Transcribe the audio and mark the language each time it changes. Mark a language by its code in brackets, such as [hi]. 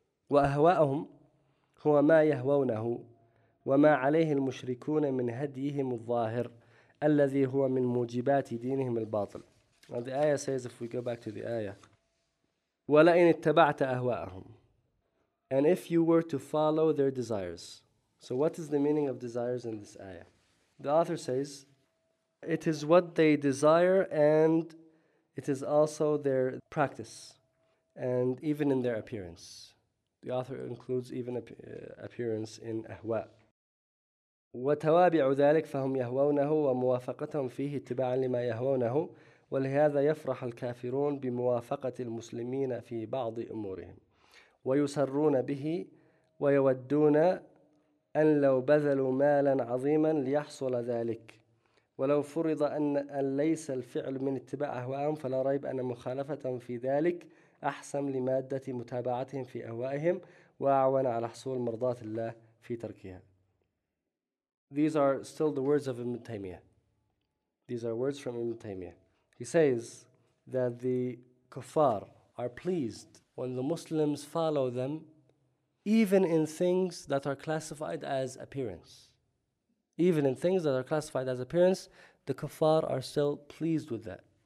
[ar] وأهواءهم هو ما يهوونه وما عليه المشركون من هديهم الظاهر الذي هو من موجبات دينهم الباطل [en] and the ayah says if we go back to the ayah [ar] ولئن اتبعت أهواءهم [en] And if you were to follow their desires. So what is the meaning of desires in this ayah? The author says, it is what they desire and it is also their practice. And even in their appearance. The author includes even appearance in ahwa. [ar] وَتَوَابِعُ ذَلِكَ فَهُمْ يَهْوَوْنَهُ وَمُوَافَقَتَهُمْ فِيهِ اتِّبَاعًا لِمَا يَهْوَوْنَهُ وَلِهَذَا يَفْرَحَ الْكَافِرُونَ بِمُوَافَقَةِ الْمُسْلِمِينَ فِي بَعْضِ أُمُورِهِمْ ويسرون به ويودون أن لو بذلوا مالا عظيما ليحصل ذلك ولو فرض أن ليس الفعل من اتباع أهوائهم فلا ريب أن مخالفتهم في ذلك أحسن لمادة متابعتهم في أهوائهم وأعون على حصول مرضات الله في تركها [en] These are still the words of Ibn Taymiyyah. These are words from Ibn Taymiyyah. He says that the kuffar are pleased when the Muslims follow them, even in things that are classified as appearance. Even in things that are classified as appearance, the kuffar are still pleased with that.